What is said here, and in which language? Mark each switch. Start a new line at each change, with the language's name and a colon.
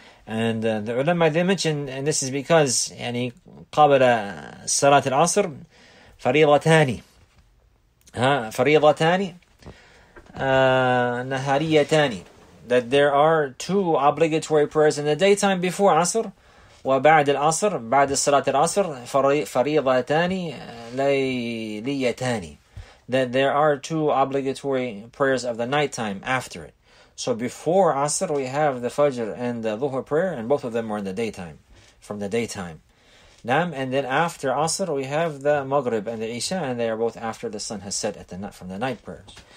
English: And the ulama, they mentioned, and this is because, يعني,
Arabic: قابل Salat al-Asr, فريضتاني. فريضتاني. نهاريتاني.
English: That there are two obligatory prayers in the daytime before Asr.
Arabic: وبعد العصر, بعد Salat al-Asr, فريضتاني ليليتاني.
English: That there are two obligatory prayers of the nighttime after it. So before Asr, we have the Fajr and the Dhuhr prayer, and both of them are in the daytime, from the daytime. Naam, and then after Asr, we have the Maghrib and the Isha, and they are both after the sun has set at the night, from the night prayers.